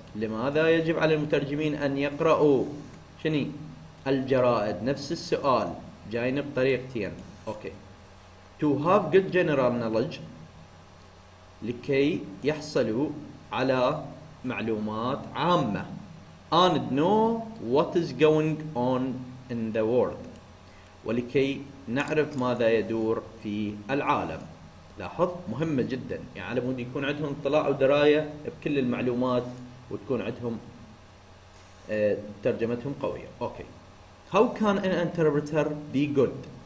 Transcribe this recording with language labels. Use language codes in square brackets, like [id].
[ar] لماذا يجب على المترجمين أن يقرأوا شني الجرائد؟ نفس السؤال جاين بطريقتين. [en] Okay. To have good general knowledge. [ar] لكي يحصلوا على معلومات عامة. [en] And know what is going on in the world. [ar] ولكي نعرف ماذا يدور في العالم. لاحظ مهمة جدا. يعني على مود يكون عندهم اطلاع ودراية بكل المعلومات وتكون عندهم ترجمتهم قوية. [en] Okay. How can an interpreter be good?